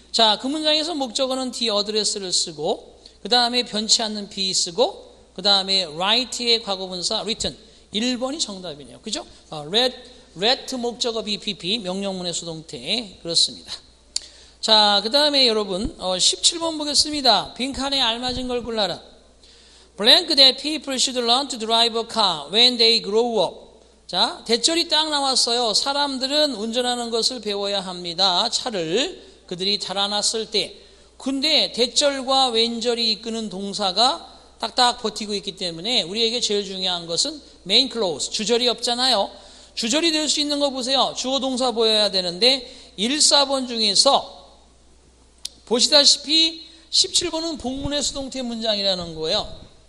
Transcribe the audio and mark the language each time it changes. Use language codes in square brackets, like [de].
[ko] 자, 그 문장에서 목적어는 the address를 쓰고 그 다음에 변치 않는 be 쓰고 그 다음에 write의 과거분사 written. 1번이 정답이네요. 그죠? let 목적어 BPP 명령문의 수동태 그렇습니다. 자, 그 다음에 여러분 17번 보겠습니다. 빈칸에 알맞은 걸 골라라. [en] Blank that people should learn to drive a car when they grow up. [ko] 자, 대절이 딱 나왔어요. 사람들은 운전하는 것을 배워야 합니다. 차를 그들이 자라났을 때. 근데 대절과 when절이 이끄는 동사가 딱딱 버티고 있기 때문에 우리에게 제일 중요한 것은 main clause 주절이 없잖아요. 주절이 될 수 있는 거 보세요. 주어 동사 보여야 되는데 1, 4번 중에서 보시다시피 17번은 본문의 수동태 문장이라는 거예요.